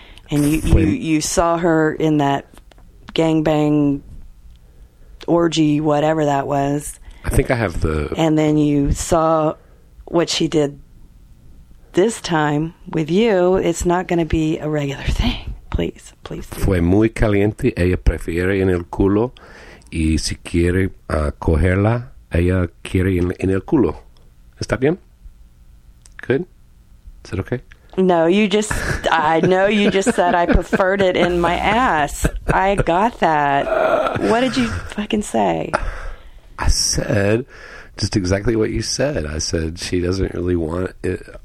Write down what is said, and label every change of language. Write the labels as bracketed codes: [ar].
[en] And you saw her in that gangbang orgy, whatever that was. I think I have the... And then you saw what she did this time with you. It's not going to be a regular thing. Please, please. [es] Fue muy caliente. Ella prefiere en el culo. Y si quiere cogerla, ella quiere en el culo. ¿Está bien? [en] Good? Is it okay? No, you just... I know you just said I preferred it in my ass. I got that. What did you fucking say? I said... just exactly what you said. I said she doesn't really want it.